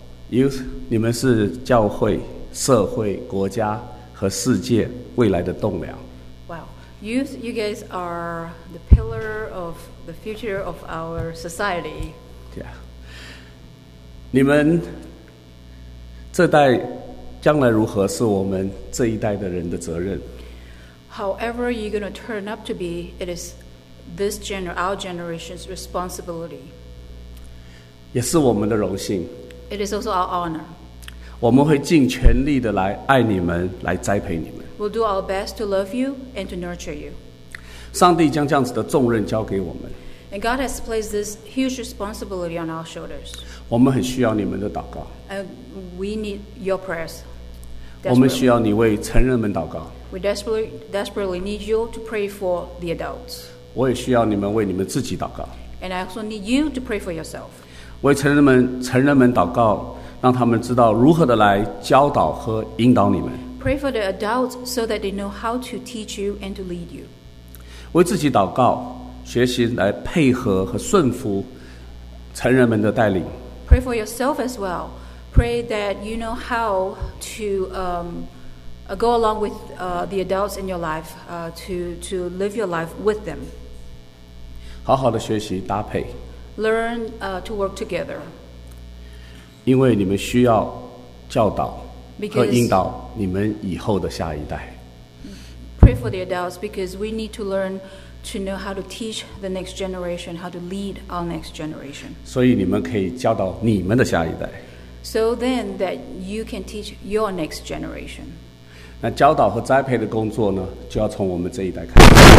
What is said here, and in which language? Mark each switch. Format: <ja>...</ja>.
<zh>Youth, 你们是教会、社会、国家和世界未来的栋梁。</zh> <en>Wow, youth, you guys are the pillar of the future of our society. Yeah.</en> <zh>你们这代将来如何是我们这一代的人的责任。</zh> <en>However you're going to turn up to be, it is this our generation's responsibility.</en> <zh>也是我们的荣幸。</zh> <en>It is also our honor.</en> <zh>我们会尽全力的来爱你们，来栽培你们。</zh> <en>We'll do our best to love you and to nurture you.</en> <zh>上帝将这样子的重任交给我们。</zh> <en>And God has placed this huge responsibility on our shoulders.</en> <zh>我们很需要你们的祷告。</zh> <en>We need your prayers.</en> <zh>我们需要你为成人们祷告。</zh> <en>We desperately need you to pray for the adults.</en> <zh>我也需要你们为你们自己祷告。</zh> <en>And I also need you to pray for yourself.</en> <zh>为成人们祷告，让他们知道如何的来教导和引导你们。</zh> <en>Pray for the adults so that they know how to teach you and to lead you.</en> <zh>为自己祷告。学习来配合和顺服成人们的带领。</zh> <en>Pray for yourself as well. Pray that you know how to go along with the adults in your life, to live your life with them.</en> <zh>好好的学习搭配。</zh> <en>Learn to work together.</en> <zh>因为你们需要教导和引导你们以后的下一代。</zh> <en>Pray for the adults because we need to learn. To know how to teach the next generation, how to lead our next generation.</en> <zh>所以你们可以教导你们的下一代。</zh> <en>So then that you can teach your next generation.</en> <zh>那教导和栽培的工作呢，就要从我们这一代开始。</zh>